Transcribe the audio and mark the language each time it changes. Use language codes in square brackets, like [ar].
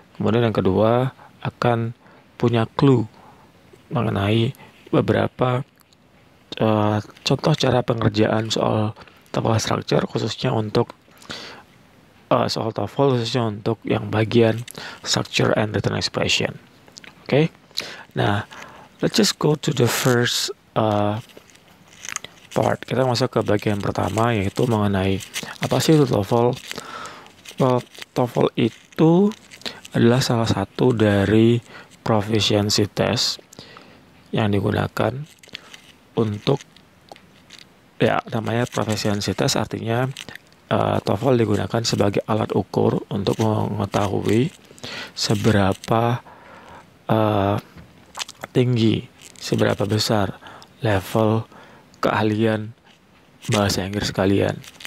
[id] Kemudian yang kedua, akan punya clue mengenai beberapa contoh cara pengerjaan soal TOEFL structure, khususnya untuk soal TOEFL, khususnya untuk yang bagian structure and written expression. Oke? [en] Nah, let's just go to the first part. [id] Kita masuk ke bagian pertama, yaitu mengenai apa sih itu TOEFL? Well, TOEFL itu adalah salah satu dari proficiency test yang digunakan untuk, ya, namanya proficiency test, artinya TOEFL digunakan sebagai alat ukur untuk mengetahui seberapa tinggi, seberapa besar level keahlian bahasa Inggris kalian.